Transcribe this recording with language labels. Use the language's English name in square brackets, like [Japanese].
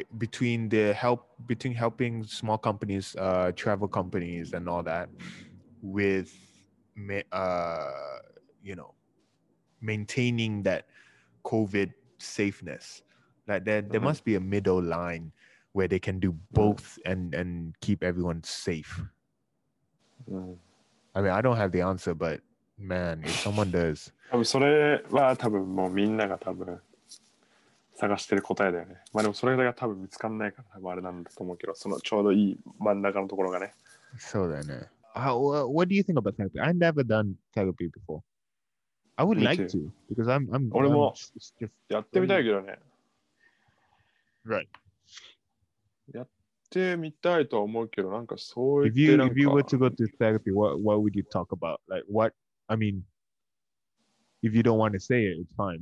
[English] between helping small companies, travel companies and all that with, you know, maintaining that COVID safeness. Like there must be a middle line where they can do both and keep everyone safe. I mean, I don't have the answer, but man, if someone does. [Japanese] それは多分もうみんなが多分探してる答えだよね。まあでもそれが多分見つかんないから多分あれなんだと思うけど、そのちょうどいい真ん中のところがね。そうだよね。 [English] What do you think about therapy? I've never done therapy before. I would like to because I'm [Japanese] 俺もやってみたいけどね。 [English] Right. [Japanese] やってみたいと思うけど、なんかそういう。 [English] If you were to go to therapy, what would you talk about? Like what? I mean. If you don't want to say it, it's fine.